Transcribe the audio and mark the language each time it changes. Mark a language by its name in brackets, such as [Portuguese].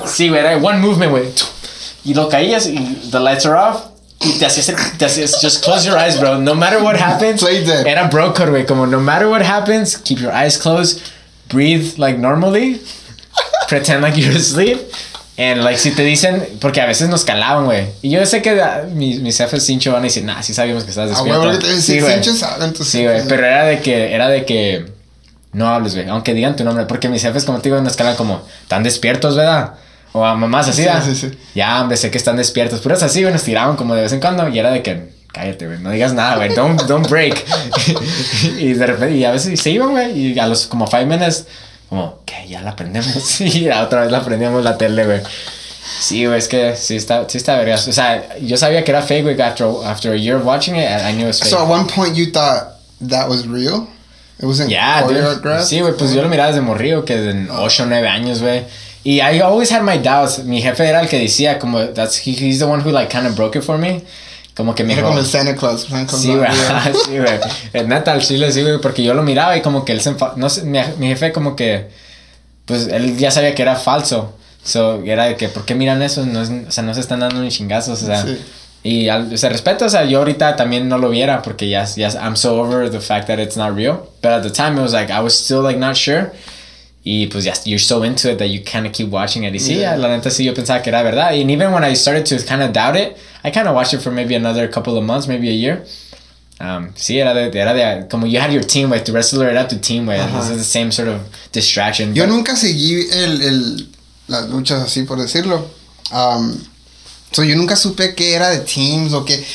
[Spanish] sí, güey, era [English] one movement, [Spanish] güey, y lo caías, y [English] the lights are off. [Spanish] Te hacías, [English] just close your eyes, bro. No matter what happens, era bro code, güey. Como no matter what happens, keep your eyes closed, breathe like normally, pretend like you're asleep. And like, [Spanish] si te dicen, porque a veces nos calaban, güey. Y yo sé que mis jefes Sincho van a decir, nah, sí sabemos que estás despierto. Sí, güey. Pero era de que no hables, güey. Aunque digan tu nombre, porque mis jefes, como te digo, nos calan como, están despiertos, ¿verdad? O a mamás así, sí, sí, sí. Ya, hombre, sé que están despiertos. Pero es así, güey, nos tiraban como de vez en cuando. Y era de que, cállate, güey, no digas nada, güey. [English] Don't break. [Spanish] Y de repente, y a veces se iban, güey. Y a los como 5 minutes, como, ¿qué? Ya la prendemos. Y otra vez la prendíamos la tele, güey. Sí, güey, es que sí está vergas. O sea, yo sabía que era fake, güey. [English] After a year of watching it, I knew it was fake. So at one point you thought that was real? It wasn't choreographed? [Spanish] Sí, güey, pues yo lo miraba desde morrío, que en 8 o 9 años, güey. Y [English] I always had my doubts. [Spanish] Mi jefe era el que decía, como, [English] he's the one who, like, kind of broke it for me. [Spanish] Como que me dijo... Era como Santa Claus. Sí, güey. Sí, güey. En neta, al chile, sí, güey. Porque yo lo miraba y como que él se... No sé, mi jefe como que... Pues, él ya sabía que era falso. So, era de que, ¿por qué miran eso? No es, o sea, no se están dando ni chingazos, o sea... Sí. Y, o sea, respeto, o sea, yo ahorita también no lo viera. [English] Porque ya, I'm so over the fact that it's not real. But at the time, it was like, I was still, like, not sure... [Spanish] Y pues ya, [English] yeah, you're so into it that you kind of keep watching it. [Spanish] Y sí, [English] yeah. [Spanish] La neta sí, yo pensaba que era verdad. [English] And even when I started to kind of doubt it, I kind of watched it for maybe another couple of months, maybe a year. [Spanish] Sí, era de, como [English] you had your team, with the wrestler [Spanish] era tu team, [English] with uh-huh. This is the same sort of distraction. [Spanish] Yo nunca seguí el las luchas así, por decirlo. So yo nunca supe qué era de teams o qué.